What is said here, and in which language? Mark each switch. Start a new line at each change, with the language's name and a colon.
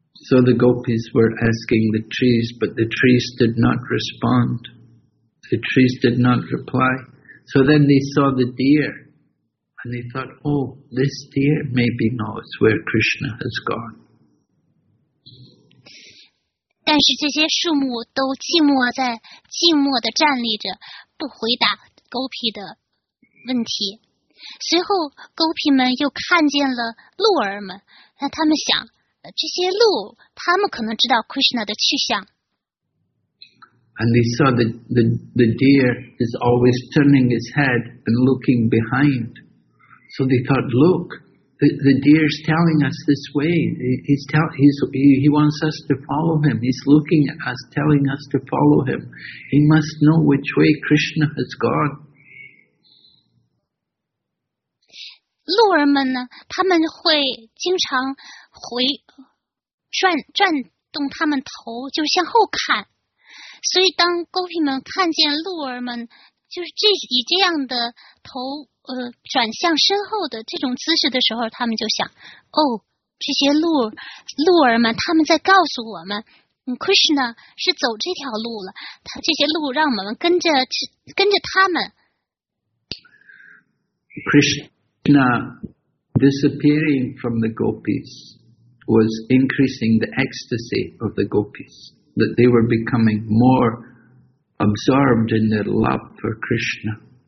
English: So the gopis were asking the trees, but the trees did not respond. The trees did not reply. So then they saw the deer, and they thought, oh, this deer maybe knows where Krishna has gone.
Chinese: 但是这些树木都静默地站立着，不回答勾皮的问题。随后勾皮们又看见了鹿儿们，那他们想这些鹿他们可能知道 Krishna 的去向。
English: And they saw that the deer is always turning his head and looking behind. So they thought, look, The deer is telling us this way. He wants us to follow him. He's looking at us, telling us to follow him. He must know which way Krishna has gone.
Chinese: 鹿儿们呢，他们会经常转动他们头，就是向后看。所以当勾皮们看见鹿儿们，就是这样的头。转向身后的这种姿势的时候，他们就想，哦，这些鹿儿们他们在告诉我们 Krishna 是走这条路了，他这些鹿让我们跟着他们。
English: Krishna disappearing from the gopis was increasing the ecstasy of the gopis, that they were becoming more absorbed in their love for Krishna